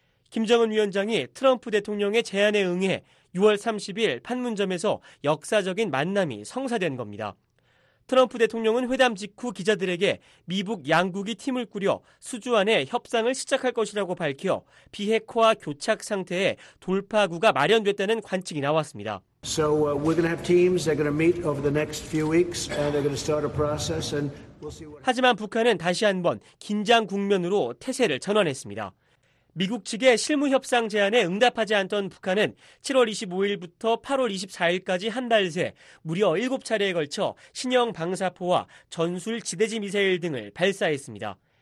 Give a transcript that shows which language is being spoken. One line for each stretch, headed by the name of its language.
Korean: 김정은 위원장이 트럼프 대통령의 제안에 응해 6월 30일 판문점에서 역사적인 만남이 성사된 겁니다. 트럼프 대통령은 회담 직후 기자들에게 미북 양국이 팀을 꾸려 수주 안에 협상을 시작할 것이라고 밝혀 비핵화 교착 상태에 돌파구가 마련됐다는 관측이 나왔습니다.
English: So we're going to have teams. They're going to meet over the next few weeks, and they're going to start a process. And we'll see what.
Korean: 하지만 북한은 다시 한번 긴장 국면으로 태세를 전환했습니다. 미국 측의 실무 협상 제안에 응답하지 않던 북한은 7월 25일부터 8월 24일까지 한 달 새 무려 7차례에 걸쳐 신형 방사포와 전술 지대지 미사일 등을 발사했습니다.